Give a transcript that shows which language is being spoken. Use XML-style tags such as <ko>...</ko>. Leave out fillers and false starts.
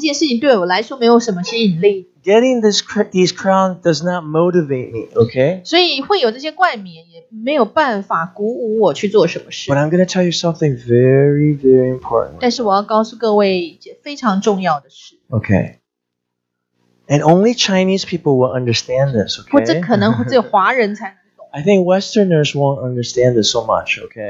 <zh>所以呢，在天堂会有这些冠冕，这件事情对我来说没有什么吸引力。</zh> <en>Getting these crowns does not motivate me, okay?</en> <zh>所以会有这些冠冕也没有办法鼓舞我去做什么事。</zh> <en>But I'm going to tell you something very, very important.</en> <zh>但是我要告诉各位非常重要的事。</zh> <en>Okay. And only Chinese people will understand this, okay? I think Westerners won't understand this so much, okay?</en>